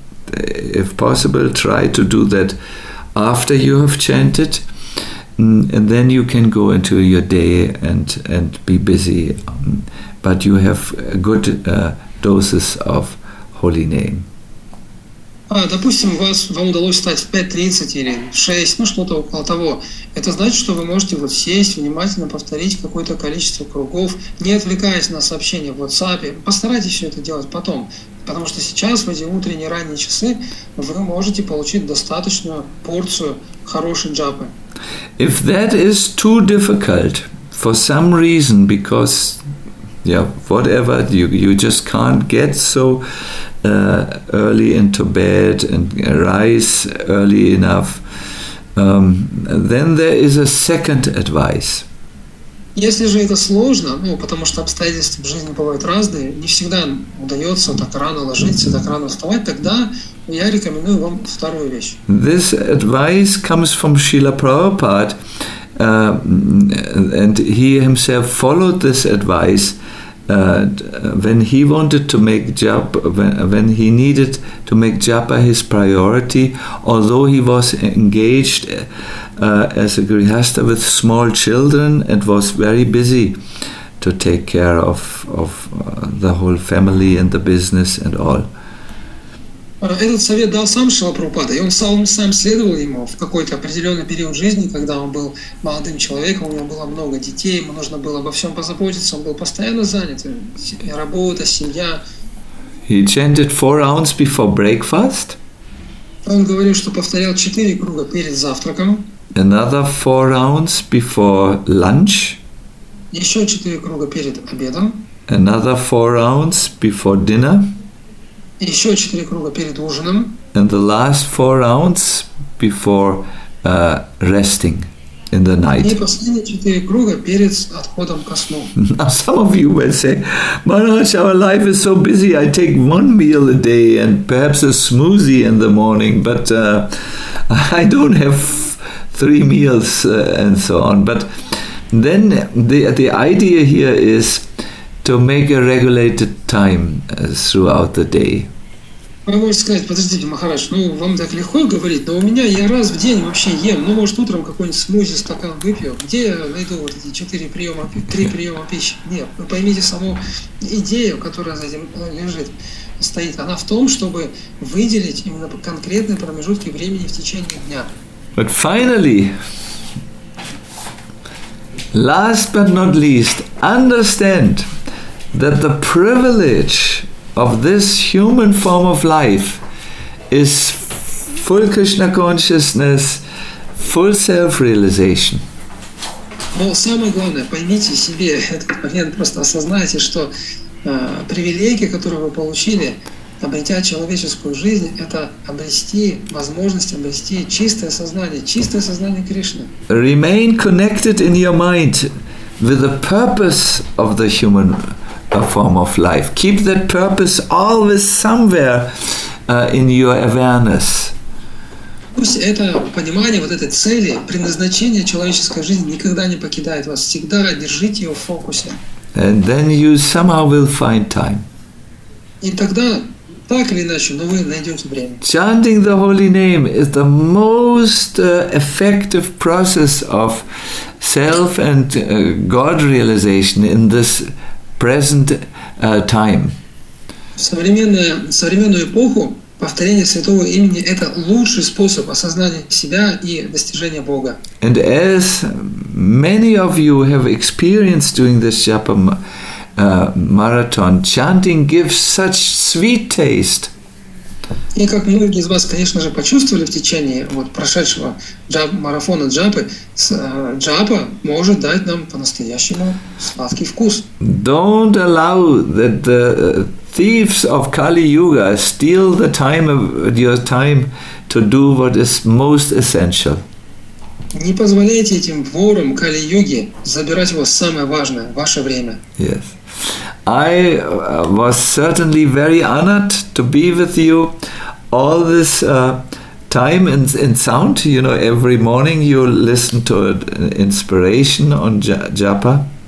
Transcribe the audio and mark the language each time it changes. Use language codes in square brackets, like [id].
[en] If possible, try to do that after you have chanted, and then you can go into your day and be busy, but you have good doses of holy name? [ru] А, допустим, вам удалось встать в 5:30 или в 6, ну что-то около того. Это значит, что вы можете вот сесть, внимательно повторить какое-то количество кругов, не отвлекаясь на сообщения в WhatsApp. Постарайтесь все это делать потом, потому что сейчас, в эти утренние ранние часы, вы можете получить достаточную порцию хорошей джапы. [en] If that is too difficult for some reason, because, yeah, whatever, you just can't get so early into bed and rise early enough, then there is a second advice. [ru] Если же это сложно, ну, потому что обстоятельства в жизни бывают разные, не всегда удается так рано ложиться, так рано вставать, тогда я рекомендую вам вторую вещь. [en] This advice comes from Srila Prabhupada, and he himself followed this advice when he wanted to make japa, when he needed to make japa his priority, although he was engaged as a grihastha with small children and was very busy to take care of the whole family and the business and all. [ru] Этот совет дал сам Шрила Прабхупада, и он сам следовал ему в какой-то определенный период жизни, когда он был молодым человеком, у него было много детей, ему нужно было обо всем позаботиться, он был постоянно занят, работа, семья. [en] He chanted 4 rounds before breakfast. [ru] Он говорил, что повторял 4 круга перед завтраком. [en] Another 4 rounds before lunch. [ru] Еще 4 круга перед обедом. [en] Another 4 rounds before dinner. [ru] Еще 4 круга перед ужином. [en] And the last 4 rounds before resting in the night. [ru] И последние 4 круга перед отходом ко сну. [en] Now some of you will say, Maharaj, our life is so busy, I take 1 meal a day and perhaps a smoothie in the morning, but I don't have 3 meals and so on. But then the idea here is to make a regulated time throughout the day. [ru] Вы можете сказать, подождите, Махарадж, ну вам так легко говорить, но у меня я раз в день вообще ем, ну может утром какой-нибудь смузи, стакан выпью, где я найду вот эти 3 приема пищи? Нет, вы поймите саму идею, которая за этим лежит, стоит, она в том, чтобы выделить именно конкретные промежутки времени в течение дня. [en] But finally, last but not least, understand that the privilege of this human form of life is full Krishna consciousness, full self-realization. [ru] Well, самое главное, поймите себе этот момент, просто осознайте, что привилегия, которую вы получили, обретя человеческую жизнь, это обрести возможность, обрести чистое сознание Кришны. [en] Remain connected in your mind with the purpose of the human a form of life. Keep that purpose always somewhere in your awareness. [ru] Пусть это понимание вот этой цели, предназначение человеческой жизни никогда не покидает вас. Всегда держите его в фокусе. [en] And then you somehow will find time. [ru] И тогда так или иначе, но вы найдете время. [en] Chanting the holy name is the most effective process of self and God realization in this present time. [ru] Современную эпоху повторение святого имени это лучший способ осознания себя и достижения Бога. [en] And as many of you have experienced during this japa marathon, chanting gives such sweet taste. [ru] И как многие из вас, конечно же, почувствовали в течение вот прошедшего марафона джапы, джапа может дать нам по-настоящему сладкий вкус. [en] Don't allow that the thieves of Kali Yuga steal the time of your time to do what is most essential. [ru] Не позволяйте этим ворам Кали Юги забирать у вас самое важное, ваше время. [en] Yes. I was certainly very honored to be with you all this time in sound. You know, every morning you listen to an inspiration on japa.